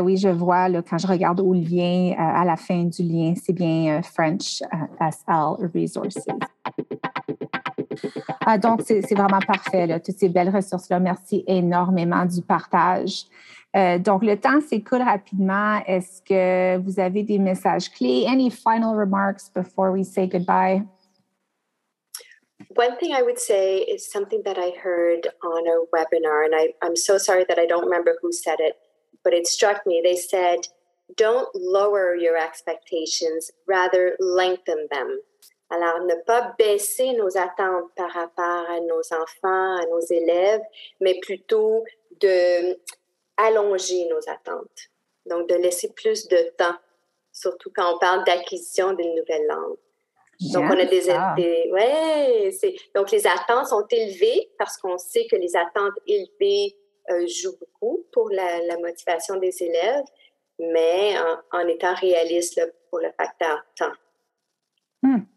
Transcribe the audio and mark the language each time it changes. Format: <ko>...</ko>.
<fr>Oui, je vois là, quand je regarde au lien, à la fin du lien, c'est bien French SL Resources. Ah, donc, c'est vraiment parfait, là, toutes ces belles ressources-là. Merci énormément du partage. Donc, le temps s'écoule rapidement. Est-ce que vous avez des messages clés?</fr> <en>Any final remarks before we say goodbye? One thing I would say is something that I heard on a webinar, and I'm so sorry that I don't remember who said it, but it struck me. They said, don't lower your expectations, rather lengthen them.</en> <fr>Alors, ne pas baisser nos attentes par rapport à nos enfants, à nos élèves, mais plutôt d'allonger nos attentes. Donc, de laisser plus de temps, surtout quand on parle d'acquisition d'une nouvelle langue. Donc, on a des... Donc, les attentes sont élevées parce qu'on sait que les attentes élevées jouent beaucoup pour la motivation des élèves, mais en étant réaliste là, pour le facteur temps.</fr>